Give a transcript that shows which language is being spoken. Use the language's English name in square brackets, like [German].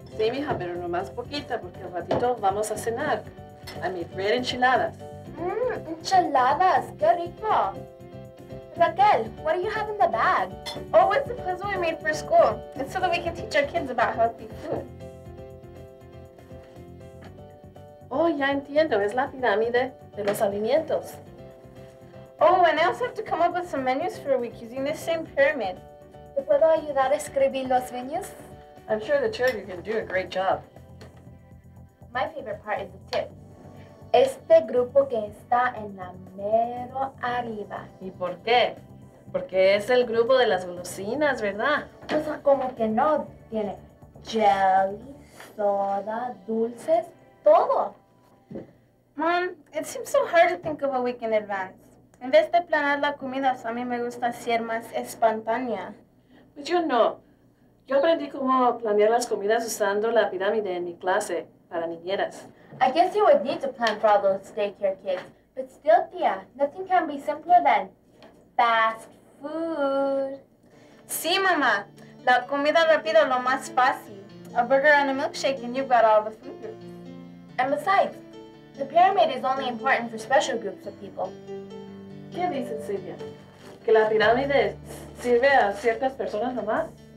[Spanish] Sí, mija, pero no más poquita, porque al ratito vamos a cenar. [English] I made red enchiladas. [Spanish] Enchiladas, qué rico. [English] Raquel, what do you have in the bag? Oh, it's the puzzle I made for school. It's so that we can teach our kids about healthy food. [Spanish] Oh, ya entiendo, es la pirámide de los alimentos. [English] Oh, and I also have to come up with some menus for a week using this same pyramid. [Spanish] ¿Puedo ayudar a escribir los menús? [English] I'm sure the two of you can do a great job. My favorite part is the tip. [Spanish] Este grupo que está en la mero arriba. ¿Y por qué? Porque es el grupo de las golosinas, ¿verdad? Pues como que no. Tiene jelly, soda, dulces, todo. [English] Mom, it seems so hard to think of a week in advance. [Spanish] En vez de planear la comida, a mí me gusta ser más espontánea. Yo no. Yo aprendí cómo planear las comidas usando la pirámide en mi clase para niñeras. [English] I guess you would need to plan for all those daycare kids. But still, tía, nothing can be simpler than fast food. [Spanish] Sí, mamá. La comida rápida lo más fácil. [English] A burger and a milkshake and you've got all the food groups. And besides, the pyramid is only important for special groups of people. [Spanish] ¿Qué dices, Silvia? ¿Que la pirámide sirve a ciertas personas nomás?